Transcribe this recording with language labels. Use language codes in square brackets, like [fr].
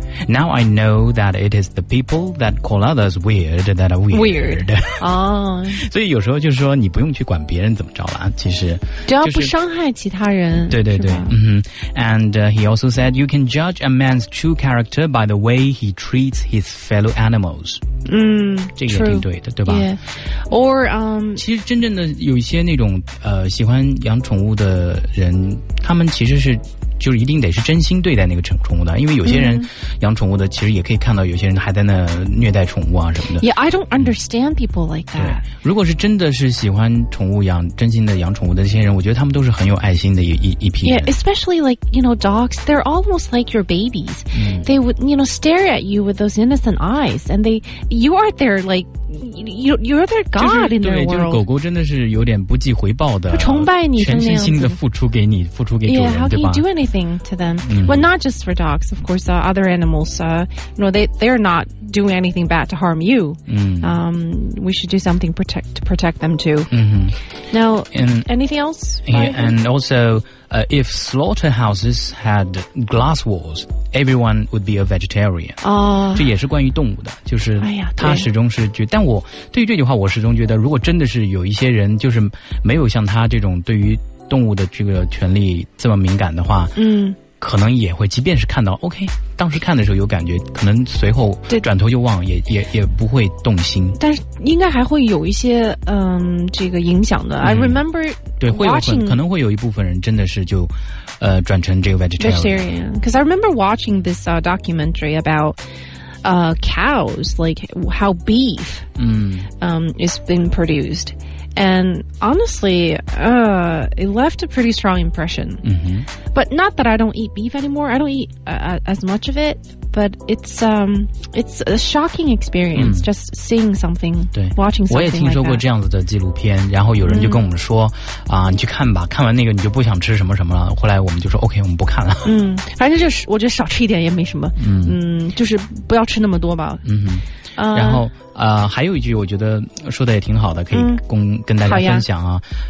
[en] Now I know that it is the people that call others weird that are weird. [zh] 所以有时候就是说，你不用去管别人怎么着了，其实只要不伤害其他人。对对对， [en] And he also said, you can judge a man's true character by the way he treats his fellow animals. [zh] 这个也挺对的，对吧？ [en] Yeah. Or [zh] 其实真正的有一些那种喜欢养宠物的人。他们其实是就是一定得是真心对待那个宠物的，因为有些人养宠物的其实也可以看到有些人还在那虐待宠物啊什么的。 [en] Yeah, I don't understand people like that. [zh] 对，如果是真的是喜欢宠物养真心的养宠物的这些人，我觉得他们都是很有爱心的一批人。 [en] Yeah, especially like, you know, dogs, they're almost like your babies. They would, you know, stare at you with those innocent eyes and you are their like,You're their God in their world. [zh] 对，就是狗狗真的是有点不计回报的，不崇拜你，全身心的付出给你，付出给主人，对吧？ [en] Yeah, how can you do anything to them? Well, not just for dogs, of course, other animals. You know, they're not doing anything bad to harm you. We should do something to protect them too. Now, anything else? And also, if slaughterhouses had glass walls, everyone would be a vegetarian. [zh] 这也是关于动物的，就是他始终是觉得。但我对于这句话，我始终觉得，如果真的是有一些人就是没有像他这种对于动物的这个权利这么敏感的话，可能也会，即便是看到 OK， 当时看的时候有感觉，可能随后转头就忘，也不会动心。但是应该还会有一些这个影响的。 [en] I remember [zh] 对，会有很可能会有一部分人真的是就转成这个 vegetarian. [en] Because I remember watching this documentary about. Cows, like how beef is being produced. And honestly, it left a pretty strong impression. But not that I don't eat beef anymore. I don't eat as much of it. But it's a shocking experience just seeing something, watching something. [zh] 我也听说过这样子的纪录片，然后有人就跟我们说，你去看吧，看完那个你就不想吃什么什么了。后来我们就说 OK， 我们不看了。反正就是我觉得少吃一点也没什么。就是不要吃那么多吧。然后还有一句我觉得说的也挺好的，可以跟大家分享啊。